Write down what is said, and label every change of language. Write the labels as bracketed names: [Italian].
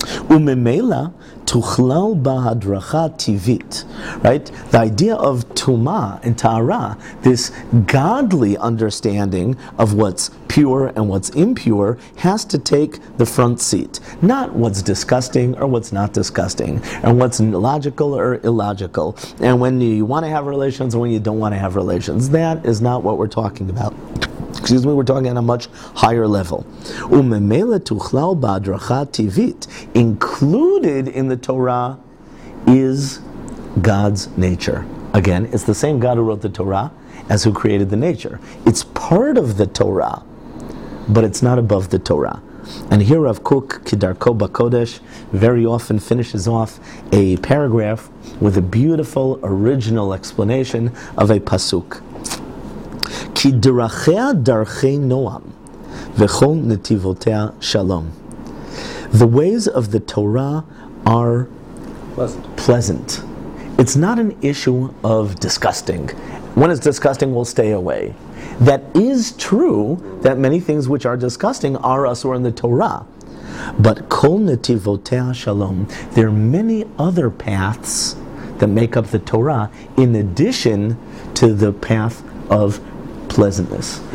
[Hebrew] וממילא תוכלל בהדרכה טבעית, right? [English] The idea of tumah and tahara, this godly understanding of what's pure and what's impure, has to take the front seat. Not what's disgusting or what's not disgusting, and what's logical or illogical, and when you want to have relations or when you don't want to have relations. That is not what we're talking about. Excuse me, we're talking on a much higher level. [Hebrew] Umemele tuchlau ba'adracha tivit, [English] included in the Torah, is God's nature. Again, it's the same God who wrote the Torah as who created the nature. It's part of the Torah, but it's not above the Torah. And here Rav Kook, Kidarko Bakodesh, very often finishes off a paragraph with a beautiful original explanation of a pasuk. [Hebrew] כי דרכיה דרכי נועם וכל נתיבותיה שלום. [English] The ways of the Torah are pleasant. It's not an issue of disgusting. When it's disgusting, we'll stay away. That is true that many things which are disgusting are asur in the Torah. But [Hebrew] כל נתיבותיה שלום, [English] there are many other paths that make up the Torah in addition to the path of pleasantness.